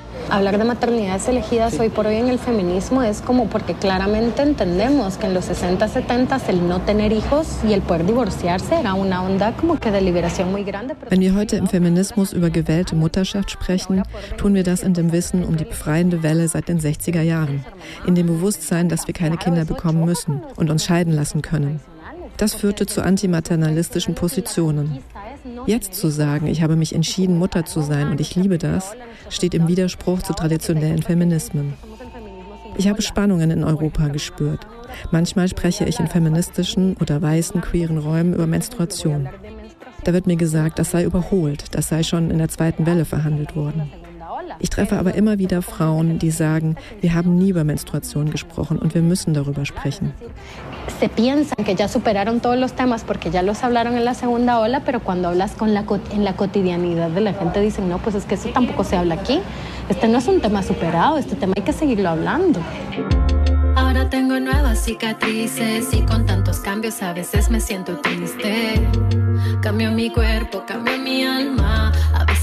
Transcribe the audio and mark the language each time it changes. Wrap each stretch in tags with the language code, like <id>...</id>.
<es>Hablar de maternidades elegidas sí. Hoy por hoy en el feminismo es como porque claramente entendemos que en los 60, 70 el no tener hijos y el poder divorciarse era una onda como que de liberación muy grande.</es> <de>Wenn wir heute im Feminismus über gewählte Mutterschaft sprechen, tun wir das in dem Wissen um die befreiende Welle seit den 60er Jahren, in dem Bewusstsein, dass wir keine Kinder bekommen müssen und uns scheiden lassen können. Das führte zu antimaternalistischen Positionen. Jetzt zu sagen, ich habe mich entschieden, Mutter zu sein und ich liebe das, steht im Widerspruch zu traditionellen Feminismen. Ich habe Spannungen in Europa gespürt. Manchmal spreche ich in feministischen oder weißen queeren Räumen über Menstruation. Da wird mir gesagt, das sei überholt, das sei schon in der zweiten Welle verhandelt worden. Ich treffe aber immer wieder Frauen, die sagen, wir haben nie über Menstruation gesprochen und wir müssen darüber sprechen.</de> <es>Se piensan que ya superaron todos los temas porque ya los hablaron en la segunda ola, pero cuando hablas con en la cotidianidad de la gente dicen, no, pues es que eso tampoco se habla aquí. Este no es un tema superado, este tema hay que seguirlo hablando. Ahora tengo nuevas cicatrices y con tantos cambios a veces me siento triste. Cambio mi cuerpo, cambio mi alma, a veces</es>